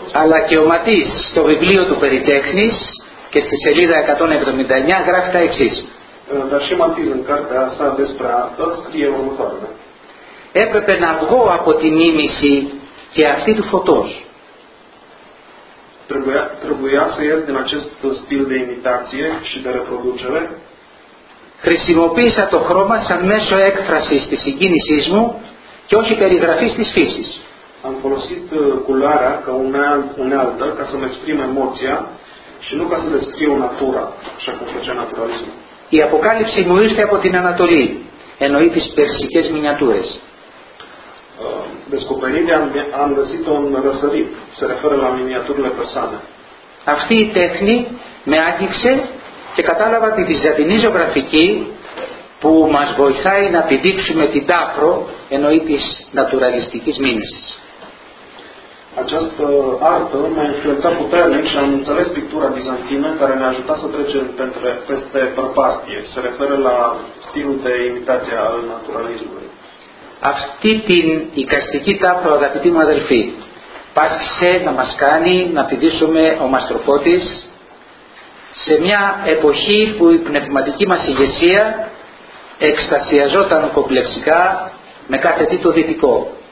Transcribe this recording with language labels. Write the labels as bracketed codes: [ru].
[el] Αλλά και ο Ματίς στο βιβλίο του περί τέχνης και στη σελίδα 179 γράφει τα εξής. [ro] Dar și Ματίς în cartea asta despre artă scrie următoarele. [el] Έπρεπε να βγω από τη μίμηση και αυτή του φωτός. [ro] Trebuia să ies din acest stil de imitație și de reproducere. [el] Χρησιμοποίησα το χρώμα σαν μέσο έκφρασης της συγκίνησής μου και όχι περιγραφής της φύσης. [ro] Am folosit culoarea ca unealtă, ca să-mi exprim emoția și nu ca să descriu natura, așa cum făcea naturalismul. [el] Η αποκάλυψη μου ήρθε από την Ανατολή, εννοεί τις περσικές μινιατούρες. [ro] Descoperirea am găsit-o în răsărit, se referă la miniaturile persane. [el] Αυτή η τέχνη με άγγιξε και κατάλαβα τη βυζαντινή ζωγραφική που μας βοηθάει να επιδείξουμε την τάφρο εννοεί της νατουραλιστικής μίμησης. [ro] Această artă m-a influențat puternic și am înțeles pictura bizantină care ne-a ajutat să trecem peste prăpastie. Se referă la stilul de imitație al naturalismului. [el] Αυτή την οικαστική τάφρο, αγαπητοί μου αδελφοί, πάσχησε να μας κάνει να επιδείξουμε ο Μαστροφώτης σε μια εποχή που η πνευματική μας ηγεσία εκστασιαζόταν κομπλεξικά με κάθε τι το δυτικό.